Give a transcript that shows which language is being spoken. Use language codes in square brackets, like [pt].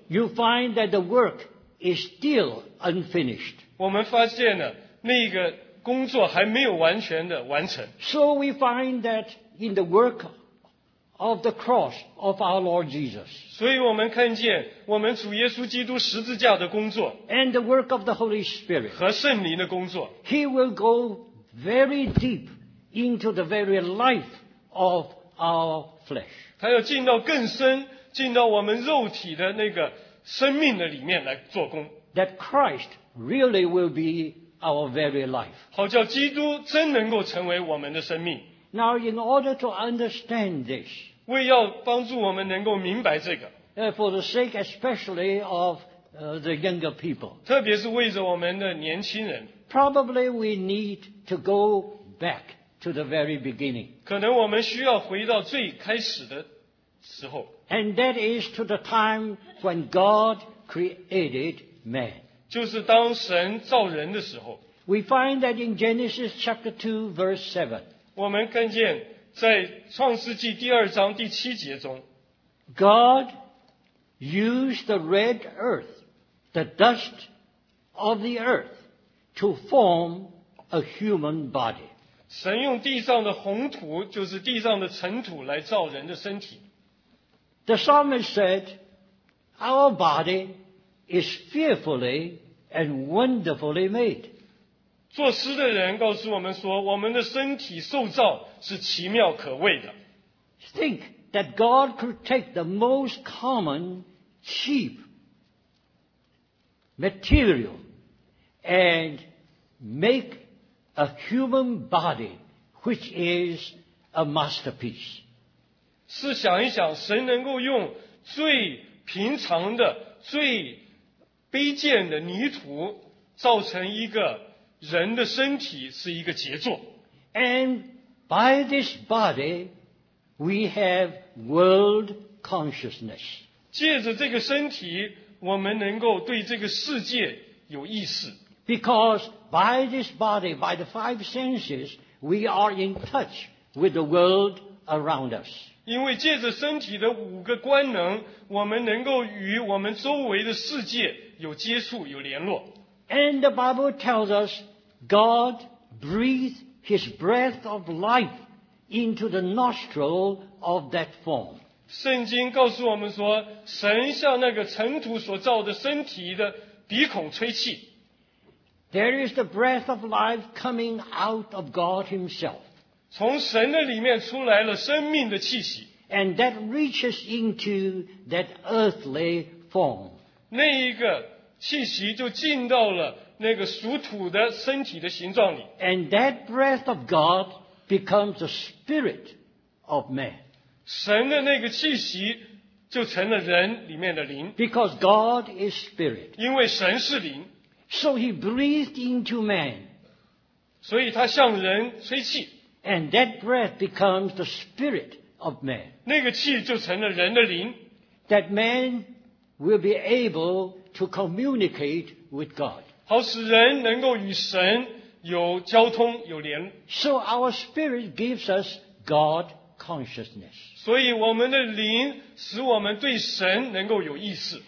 [en] You find that the work is still unfinished. [zh] 我们发现了那个工作还没有完全的完成。 [en] So we find that in the work of the cross of our Lord Jesus. [zh] 所以我们看见我们主耶稣基督十字架的工作。 [en] And the work of the Holy Spirit. [zh] 和圣灵的工作。 [en] He will go very deep into the very life of our flesh. [zh] 他要进到更深，进到我们肉体的那个生命的里面来做工。 [en] That Christ really will be our very life. [zh] 好叫基督真能够成为我们的生命。 [en] Now, in order to understand this, [zh] 为要帮助我们能够明白这个, [en] for the sake especially of the younger people, [zh] 特别是为着我们的年轻人, [en] probably we need to go back to the very beginning. [zh] 可能我们需要回到最开始的时候, [en] and that is to the time when God created man. [zh] 就是当神造人的时候, [en] we find that in Genesis chapter 2, verse 7, [zh] 我们看见在创世纪第二章第七节中 [en] God used the red earth, the dust of the earth, to form a human body. [zh] 神用地上的红土，就是地上的尘土，来造人的身体。 [en] The psalmist said, "Our body is fearfully and wonderfully made." [zh] 作诗的人告诉我们说，我们的身体受造是奇妙可畏的。 [en] Think that God could take the most common, cheap material and make a human body, which is a masterpiece. [zh] 试想一想，神能够用最平常的、最卑贱的泥土造成一个人的身体，是一个杰作。 [en] And by this body, we have world consciousness. [zh] 借着这个身体，我们能够对这个世界有意识。 [en] Because by this body, by the five senses, we are in touch with the world around us. [zh] 因为借着身体的五个官能，我们能够与我们周围的世界有接触，有联络。 [en] And the Bible tells us God breathed his breath of life into the nostril of that form. [zh] 圣经告诉我们说，神向那个尘土所造的身体的鼻孔吹气。 [en] There is the breath of life coming out of God himself. [zh] 从神的里面出来了生命的气息。 [en] And that reaches into that earthly form. [zh] 那一个气息就进到了那个属土的身体的形状里。 [en] And that breath of God becomes the spirit of man. [zh] 神的那个气息就成了人里面的灵。 [en] Because God is spirit. [zh] 因为神是灵。 [en] So he breathed into man. [zh] 所以他向人吹气。 [en] And that breath becomes the spirit of man. [zh] 那个气就成了人的灵。 [en] That man will be able to communicate with God. [zh] 好使人能够与神有交通，有联。 [en] So our spirit gives us God consciousness. [zh] 所以我们的灵使我们对神能够有意识。